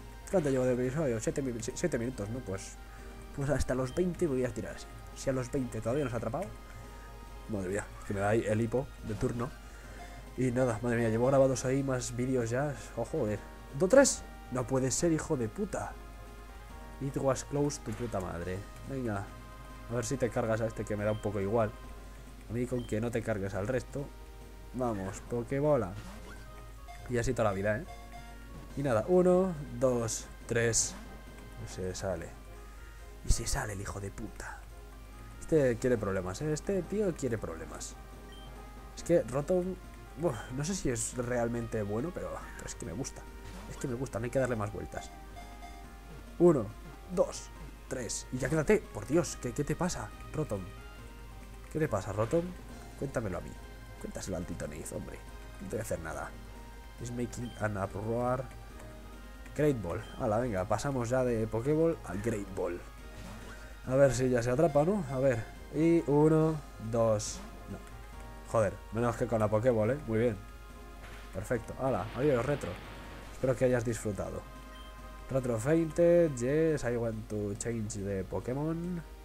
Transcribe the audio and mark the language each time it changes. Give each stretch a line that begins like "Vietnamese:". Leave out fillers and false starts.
Spanish: ¿Cuánto llevo de episodio? 7 minutos, ¿no? Pues hasta los 20 voy a tirar así. Si a los 20 todavía nos ha atrapado. Madre mía, que me da ahí el hipo de turno. Y nada, madre mía, llevo grabados ahí más vídeos ya. Oh, joder. ¿Dos, tres? No puede ser, hijo de puta.
English: It was close,
Spanish: tu puta madre. Venga, a ver si te cargas a este que me da un poco igual. A mí con que no te cargues al resto. Vamos, Pokébola. Y así toda la vida, ¿eh? Y nada, uno, dos, tres. Se sale. Y se sale el hijo de puta. Este quiere problemas, ¿eh? Este tío quiere problemas. Es que Rotom, no sé si es realmente bueno, pero es que me gusta. Es que me gusta, no hay que darle más vueltas. Uno, dos, tres. Y ya quédate, por Dios, ¿qué te pasa, Rotom? ¿Qué te pasa, Rotom? Cuéntamelo a mí. Cuéntaselo al Titoneath, hombre. No te voy a hacer nada.
English: Is making an uproar.
Spanish: Great Ball. Hala, venga, pasamos ya de Pokéball a Great Ball. A ver si ya se atrapa, ¿no? A ver. Y uno, dos. No. Joder, menos que con la Pokéball, ¿eh? Muy bien. Perfecto. Hala, adiós, Retro. Espero que hayas disfrutado.
English: Retro fainted. Yes, I want to change the Pokémon.